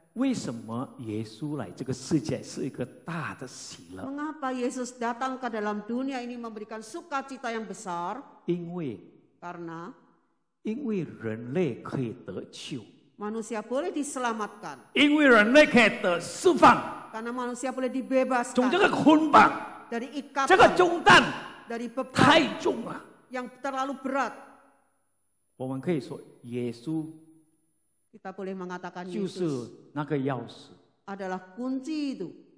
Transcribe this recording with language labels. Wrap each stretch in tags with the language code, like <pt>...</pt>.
<zh>为什么耶稣来这个世界是一个大的喜乐?</zh> <id>Mengapa Yesus datang ke dalam dunia ini memberikan sukacita yang besar?</id> <zh>因为,</zh> <id>karena</id> <zh>因为人类可以得救,</zh> <id>manusia boleh diselamatkan.</id> <zh>因为人类可以得释放,</zh> <id>karena manusia boleh dibebaskan.</id> <zh>从这个捆绑,</zh> <id>dari ikatan.</id> <zh>这个重担,</zh> <id>dari beban.</id> <zh>太重了,</zh> <id>yang terlalu berat.</id> <zh>我们可以说, Yesus,</zh> <id>kita boleh mengatakan Yesus adalah kunci itu.</id>